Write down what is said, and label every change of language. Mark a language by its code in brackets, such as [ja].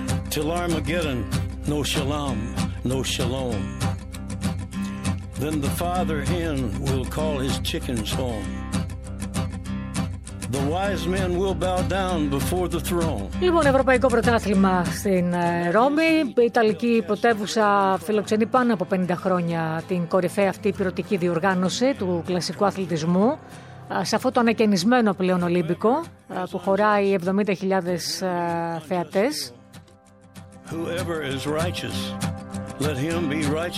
[en] Till Armageddon, no shalom, no shalom. Then the father hen will call his chickens home. The wise men will bow down before the throne. [el] Λοιπόν, ευρωπαϊκό πρωτάθλημα στην Ρώμη. Η Ιταλική πρωτεύουσα φιλοξενεί πάνω από 50 χρόνια την κορυφαία αυτή πυρωτική διοργάνωση του κλασικού αθλητισμού. Σε αυτό το ανακαινισμένο πλέον Ολύμπικο που χωράει 70.000 θεατές. [en] Whoever is righteous, let him be righteous.